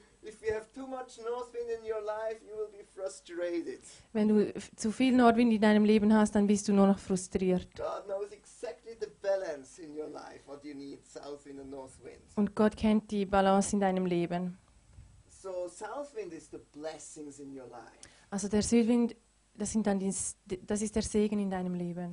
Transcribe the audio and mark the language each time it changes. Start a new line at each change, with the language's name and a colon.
English: If you have too much north wind in your life, you will be frustrated.
German: Wenn du zu viel Nordwind in deinem Leben hast, dann bist du nur noch frustriert.
English: God knows exactly the balance in your life, what you need, south wind and north wind.
German: Und Gott kennt die Balance in deinem Leben.
English: So south wind is the blessings in your life.
German: Also der Südwind, das ist der Segen in deinem Leben.